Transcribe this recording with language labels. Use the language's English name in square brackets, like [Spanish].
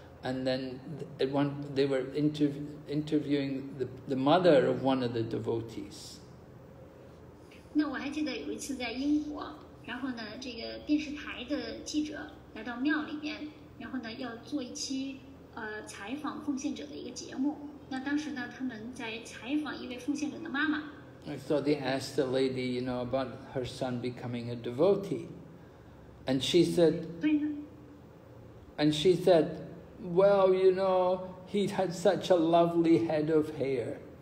[English] And then they were interviewing the mother of one of the devotees. [Chinese] 那我还记得有一次在英国，然后呢，这个电视台的记者来到庙里面，然后呢要做一采访奉献者的一个节目。那当时呢，他们在采访一位奉献者的妈妈。 [English] So they asked the lady, about her son becoming a devotee, and she said, Well, he had such a lovely head of hair.